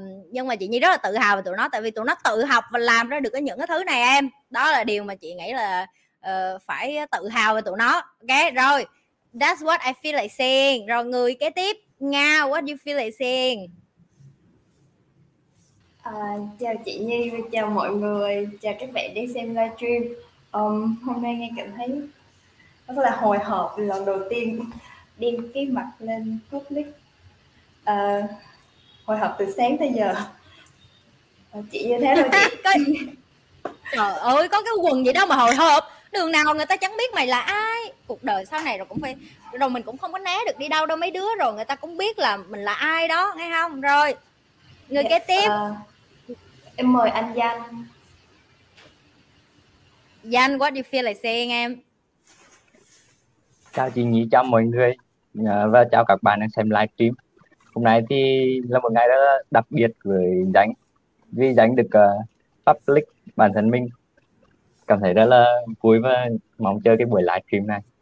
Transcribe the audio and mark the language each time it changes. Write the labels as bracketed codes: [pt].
[vi] Nhưng mà chị Nhi rất là tự hào về tụi nó, tại vì tụi nó tự học và làm ra được cái những cái thứ này em. Đó là điều mà chị nghĩ là phải tự hào về tụi nó. [en] Ok, [vi] rồi, [en] that's what I feel like saying. [vi] Rồi người kế tiếp, [en] Nga, what you feel like saying? [vi] Chào chị Nhi và chào mọi người, chào các bạn đi xem livestream. Hôm nay nghe cảm thấy rất là hồi hộp, lần đầu tiên đem cái mặt lên public. Hồi hộp từ sáng tới giờ. Chị như thế rồi chị. Trời ơi, có cái quần gì đâu mà hồi hộp. Đường nào người ta chẳng biết mày là ai. Cuộc đời sau này rồi cũng phải, rồi mình cũng không có né được đi đâu đâu mấy đứa, rồi người ta cũng biết là mình là ai đó, nghe không? Rồi, người kế tiếp. Em mời anh Danh. [en] Danh, what do you feel like saying [vi] em? Chào chị Nhi, chào mọi người và chào các bạn đang xem livestream. Hôm nay thì là một ngày rất đặc biệt với Danh, vì Danh được public bản thân mình. Cảm thấy rất là vui và mong chờ cái buổi livestream này.